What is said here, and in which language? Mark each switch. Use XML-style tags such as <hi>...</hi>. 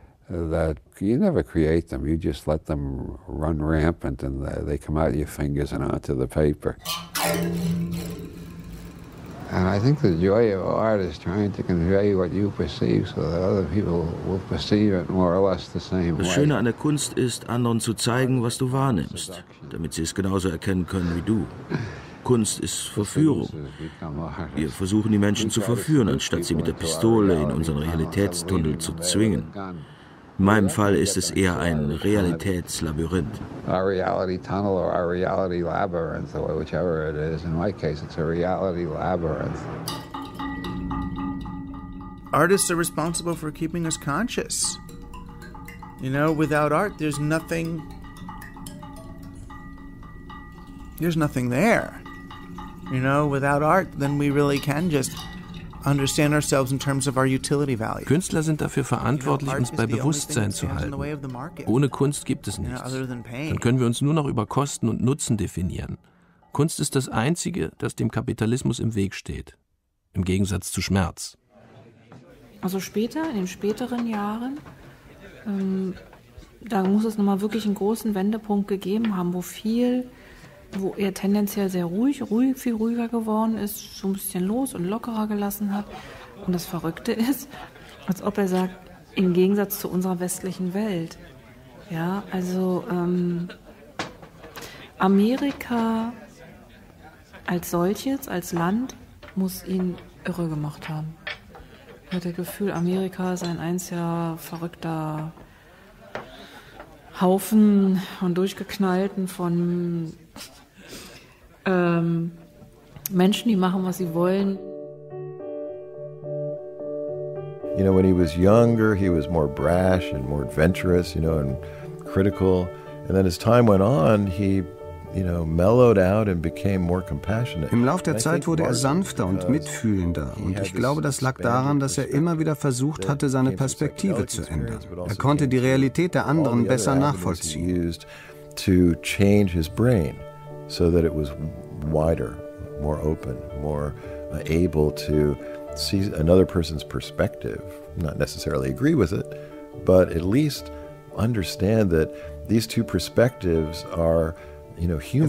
<en>That you never create them, you just let them run rampant and they come out of your fingers and onto the paper. And I think the joy of art is trying to convey what you perceive so that other people will perceive it more or less the same way.</en> <de>Das Schöne an der Kunst ist, anderen zu zeigen, was du wahrnimmst, damit sie es genauso erkennen können wie du. Kunst ist Verführung. Wir versuchen, die Menschen zu verführen, anstatt sie mit der Pistole in unseren Realitätstunnel zu zwingen. In meinem Fall ist es eher ein Realitätslabyrinth.</de> <en>Our reality tunnel or our reality labyrinth, or whichever it is. In my case, it's a reality labyrinth. Artists are responsible for keeping us conscious. You know, without art, there's nothing there. You know, without art, then we really can just understand ourselves in terms of our utility value.</en> <de>Künstler sind dafür verantwortlich, uns bei Bewusstsein zu halten. Ohne Kunst gibt es nichts. Dann können wir uns nur noch über Kosten und Nutzen definieren. Kunst ist das Einzige, das dem Kapitalismus im Weg steht. im Gegensatz zu Schmerz. Also später, in den späteren Jahren, da muss es nochmal wirklich einen großen Wendepunkt gegeben haben, wo er tendenziell sehr ruhig, viel ruhiger geworden ist, so ein bisschen los und lockerer gelassen hat. Und das Verrückte ist, als ob er sagt, im Gegensatz zu unserer westlichen Welt. Ja, also Amerika als solches, als Land, muss ihn irre gemacht haben. Er hat das Gefühl, Amerika ist ein einziger verrückter Haufen von Durchgeknallten, von Menschen, die machen, was sie wollen.</de> <en>You know, when he was younger, he was more brash and more adventurous, you know, and critical. And then as time went on, he, you know, mellowed out and became more compassionate.</en> <de>Im Lauf der Zeit wurde er sanfter und mitfühlender. Und ich glaube, das lag daran, dass er immer wieder versucht hatte, seine Perspektive zu ändern. Er konnte die Realität der anderen besser nachvollziehen.</de> <en>To change his brain, so that it was wider, more open, more able to see another person's perspective, not necessarily agree with it, but at least understand that these two perspectives are, you know, human.</en>